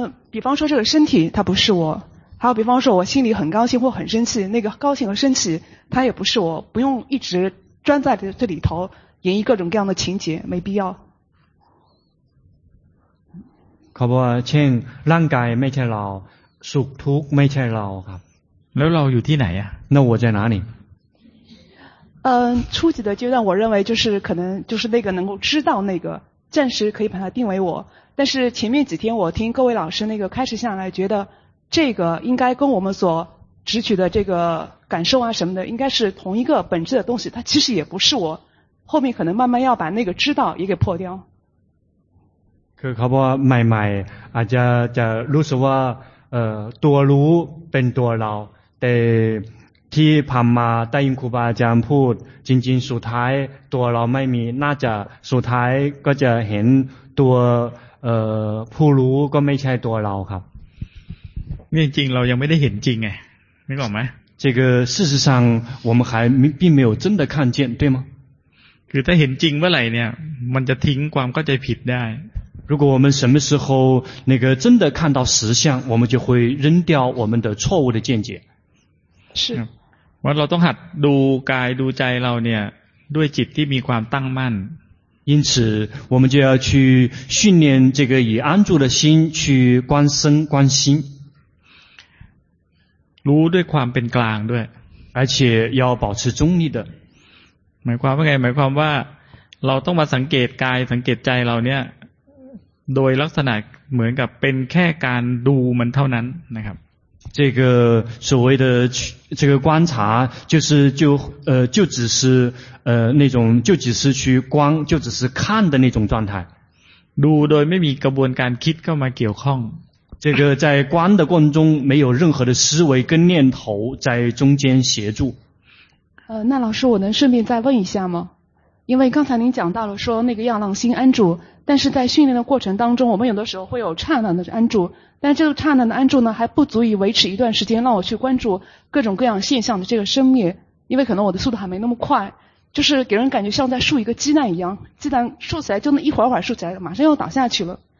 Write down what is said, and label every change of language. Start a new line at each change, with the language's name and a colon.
Chinese: 比方说这个身体它不是我还有比方说我心里很高兴或很生气那个高兴和生气它也不是我不用一直专在这里头演绎各种各样的情节没必要
Thai: เขาบอกว่าเช่นร่างกายไม่ใช่เราสุขทุกข์ไม่ใช่เราครับ แล้วเราอยู่ที่ไหนอ่ะ
Chinese: 那我在哪里初级的阶段我认为就是可能就是那个能够知道那个暂时可以把它定为我但是前面几天我听各位老师那个开始下来觉得这个应该跟我们所直取的这个感受啊什么的应该是同一个本质的东西它其实也不是我后面可能慢慢要把那个知道也给破掉可是不买买啊就如此说多如本多老得
Thai: ที่ผ่านมาได้ยินครูบาอาจารย์พูดจริงๆสุดท้ายตัวเราไม่มีน่าจะสุดท้ายก็จะเห็นตัวผู้รู้ก็ไม่ใช่ตัวเราครับ นี่จริงเรายังไม่ได้เห็นจริงไงไม่บอกมั้ย
Chinese: 这个事实上我们还并没有真的看见对吗
Thai: คือถ้าเห็นจริงเมื่อไหร่เนี่ยมันจะทิ้งความเข้าใจผิดได้
Chinese: 如果我们什么时候那个真的看到实相我们就会扔掉我们的错误的见解是
Thai: ว่าเราต้องหัดดูกายดูใจเราเนี่ยด้วยจิตที่มีความตั้งมั่น
Chinese: 因此我们就要去训练这个以安住的心去观身观心
Thai: รู้ด้วยความเป็นกลางด้วย
Chinese: 而且要保持中立的
Thai: หมายความว่าไงหมายความว่าเราต้องมาสังเกตกายสังเกตใจเราเนี่ยโดยลักษณะเหมือนกับเป็นแค่การดูมันเท่านั้นนะครับ
Chinese: 这个所谓的这个观察就是就只是那种就只是去观就只是看的那种状态
Thai: ดูโดยไม่มีกระบวนการคิดเข้ามาเกี่ยวข้อง
Chinese: 这个在观的过程中没有任何的思维跟念头在中间协助那老师我能顺便再问一下吗因为刚才您讲到了说那个样浪心安住但是在训练的过程当中我们有的时候会有刹那的安住但这个刹那的安住呢还不足以维持一段时间让我去关注各种各样现象的这个生灭因为可能我的速度还没那么快就是给人感觉像在竖一个鸡蛋一样鸡蛋竖起来就那一会儿会儿竖起来马上又倒下去了